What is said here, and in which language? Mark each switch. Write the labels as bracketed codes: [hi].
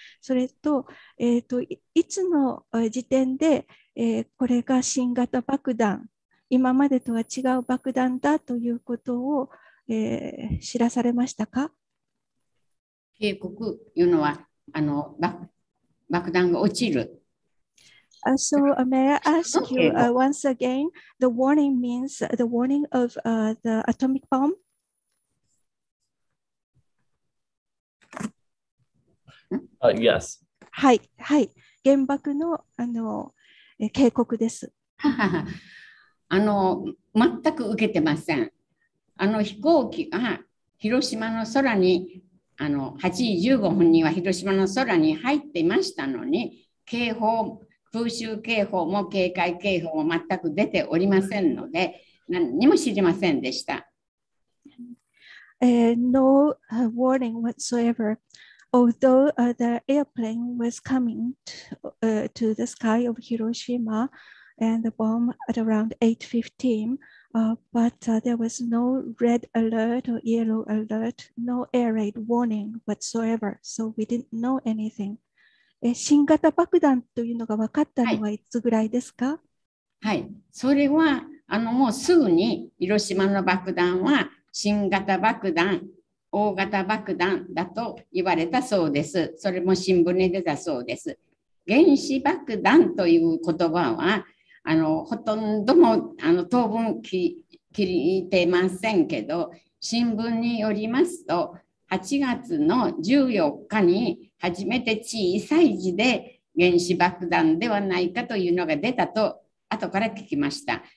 [ja] それと、いつの時点で、これが新型爆弾、今までとは違う爆弾だということを、知らされましたか？警告というのは、あの 爆弾が落ちる。 [en] So may I ask you once again, the warning means the warning of the atomic bomb? Yes. [ja] はい、はい。原爆の、あの、警告です。あの、全く受けてません。あの、飛行機が広島の空に、あの、8時15分には広島の空に入っていましたのに、警報、空襲警報も警戒警報も全く出ておりませんので、何にも知りませんでした。 [en] No warning whatsoever. Although the airplane was coming to the sky of Hiroshima and the bomb at around 8:15, but there was no red alert or yellow alert, no air raid warning whatsoever. So we didn't know anything. [ja] 新型爆弾というのが分かったのはいつぐらいですか？はい、はい、それはあのもうすぐに広島の爆弾は新型爆弾、大型爆弾だと言われたそうです。それも新聞に出たそうです。原子爆弾という言葉はあのほとんどもあの当分聞いてませんけど、新聞によりますと8月の14日に初めて小さい字で原子爆弾ではないかというのが出たと後から聞きました。